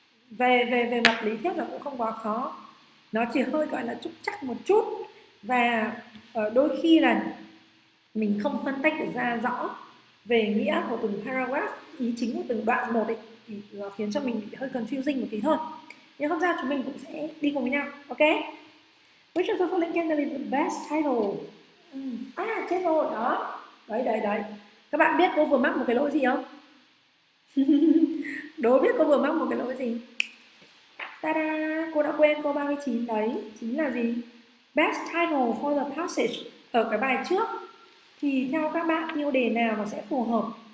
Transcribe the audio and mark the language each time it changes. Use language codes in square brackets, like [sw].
[vi] Về về về mặt lý thuyết là cũng không quá khó, nó chỉ hơi gọi là trúc trắc một chút và đôi khi là mình không phân tích được ra rõ về nghĩa của từng paragraph, ý chính của từng đoạn một ấy, thì nó khiến cho mình hơi confusing một tí thôi. Nhưng không sao, chúng mình cũng sẽ đi cùng với nhau. [en] Ok, which of the following can be the best title? [vi] À, chết rồi đó. Đấy, đấy, đấy. Các bạn biết cô vừa mắc một cái lỗi gì không? Đố biết cô vừa mắc một cái lỗi gì? Ta-da, cô đã quên câu 39 đấy. Chính là gì? [en] Best title for the passage. [vi] Ở cái bài trước thì theo các bạn tiêu đề nào mà sẽ phù hợp?